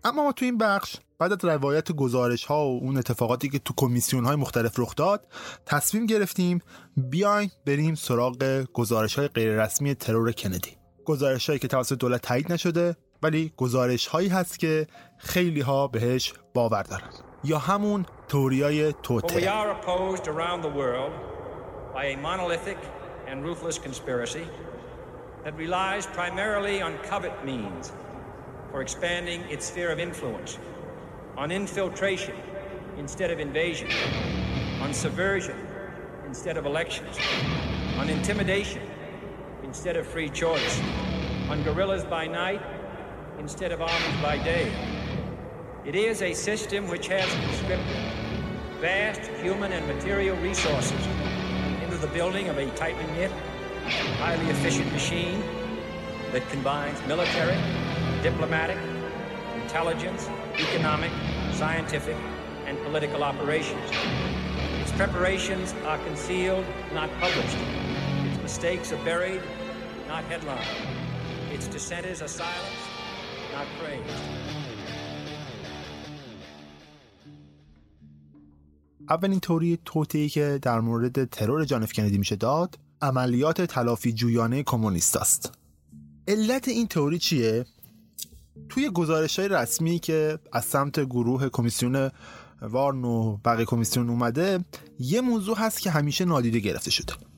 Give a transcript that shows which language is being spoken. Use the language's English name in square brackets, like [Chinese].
[Persian] اما ما تو این بخش بعد از روایت گزارش ها و اون اتفاقاتی که تو کمیسیون های مختلف رخ داد تصمیم گرفتیم بیاین بریم سراغ گزارش های غیر رسمی ترور کندی. گزارش هایی که توسط دولت تایید نشده ولی گزارش هایی هست که خیلی ها بهش باور دارن. یا همون توریای توته. [English] We are opposed around the world by a monolithic and ruthless conspiracy that relies primarily on covert means for expanding its sphere of influence, on infiltration instead of invasion, on subversion instead of elections, on intimidation instead of free choice, on guerrillas by night instead of armies by day. It is a system which has conscripted vast human and material resources into the building of a tightly knit, highly efficient machine that combines military, diplomatic, intelligence, economic, scientific, and political operations. Its preparations are concealed, not published. Its mistakes are buried, not headlined. Its dissenters are silenced, not praised. [Persian] اولین توری توطئه‌ای که در مورد ترور جان اف کندی میشه داد عملیات تلافی جویانه کمونیست است. علت این توری چیه؟ توی گزارش های رسمی که از سمت گروه کمیسیون وارن و بقیه کمیسیون اومده یه موضوع هست که همیشه نادیده گرفته شده.